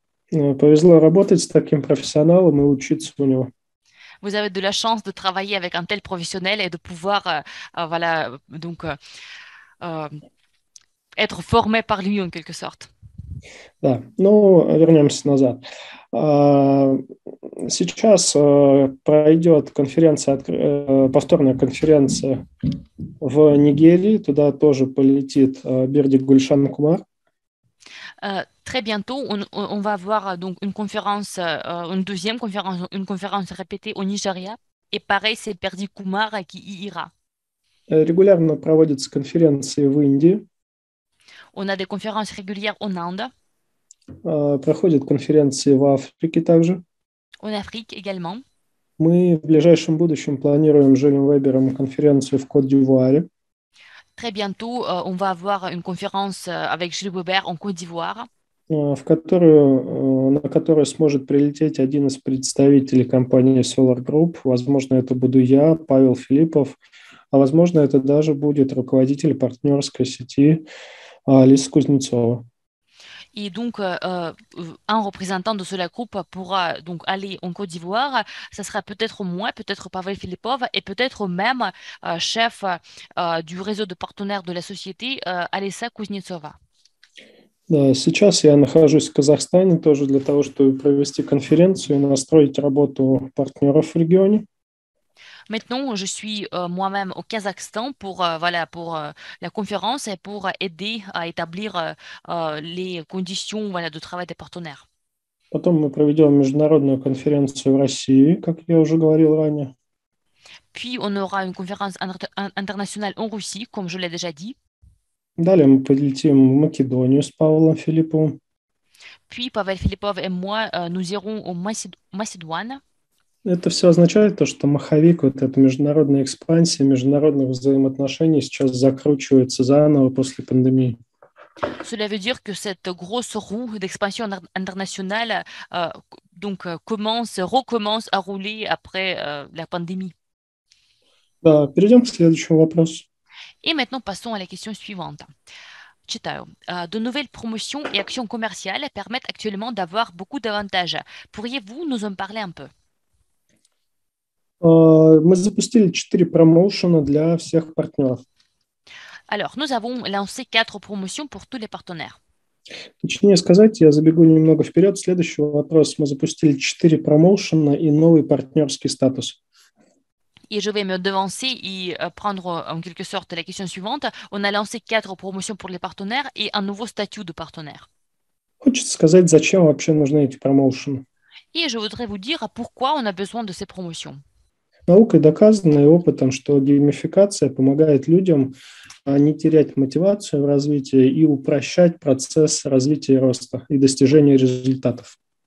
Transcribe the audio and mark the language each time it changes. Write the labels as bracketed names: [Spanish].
[Russian] Повезло работать с таким профессионалом и учиться у него. [French] Vous avez de la chance de travailler avec un tel professionnel et de pouvoir voilà, donc, être formé par lui en quelque sorte. [Russian] Да, ну, вернемся назад. Сейчас пройдет конференция, повторная конференция в Нигерии, туда тоже полетит Бирди Гульшан Кумар. [French] Très bientôt, on va avoir donc une conférence, une deuxième conférence, une conférence répétée au Nigeria, et pareil, c'est Бирди Кумар qui y ira. [Russian] Регулярно проводятся конференции в Индии. [French] On a des conférences régulières en Inde. [Russian] Проходят конференции в Африке также. [French] En Afrique également. [Russian] Мы в ближайшем будущем планируем с Жюлем Вебером конференцию в Кот-д'Ивуаре. [French] Très bientôt, on va avoir une conférence avec Жюль Вебер en Côte d'Ivoire. [Russian] В которую, на которую сможет прилететь один из представителей компании Solar Group. Возможно, это буду я, Павел Филиппов. А возможно, это даже будет руководитель партнерской сети Алиса Кузнецова. [French] Et donc, un représentant de cela groupe pourra donc aller en Côte d'Ivoire. Ce sera peut-être moi, peut-être Pavel Filipov, et peut-être même chef du réseau de partenaires de la société Alessa Kuznetsova. [Russian] Да, сейчас я нахожусь в Казахстане тоже для того, чтобы провести конференцию и настроить работу партнеров в регионе. [French] Maintenant, je suis moi-même au Kazakhstan pour, voilà, pour la conférence et pour aider à établir les conditions, voilà, de travail des partenaires. [Russian] Потом мы проведем международную конференцию в России, как я уже говорил ранее. [French] Puis, on aura une conférence internationale en Russie, comme je l'ai déjà dit. [Russian] Далее мы полетим в Македонию с Павлом Филипповым. [French] Puis, Pavel Filipov et moi, nous irons en Macédoine. [Russian] Это все означает то, что маховик, вот эта международная экспансия, международные взаимоотношения сейчас закручиваются заново после пандемии. [French] Cela veut dire que cette grosse roue d'expansion internationale donc commence, recommence à rouler après la pandémie. [Russian] Да, перейдем к следующему вопросу. [French] Et maintenant, passons à la question suivante. [Russian] Читаю. [French] De nouvelles promotions et actions commerciales permettent actuellement d'avoir beaucoup d'avantages. Pourriez-vous nous en parler un peu? [Russian] Мы запустили 4 промоушена для всех партнеров. [French] Alors, nous avons lancé 4 promotions pour tous les partenaires. [Russian] Точнее сказать, я забегу немного вперед. Следующий вопрос. Мы запустили 4 промоушена и новый партнерский статус. [French] Et je vais me devancer et prendre en quelque sorte la question suivante. On a lancé 4 promotions pour les partenaires et un nouveau statut de partenaire. [Russian] Хочется сказать, зачем вообще нужны эти промоушены. [French] Et je voudrais vous dire pourquoi on a besoin de ces promotions. [Russian] Наукой доказано и опытом, что геймификация помогает людям не терять мотивацию в развитии и упрощать процесс развития и роста и достижения результатов.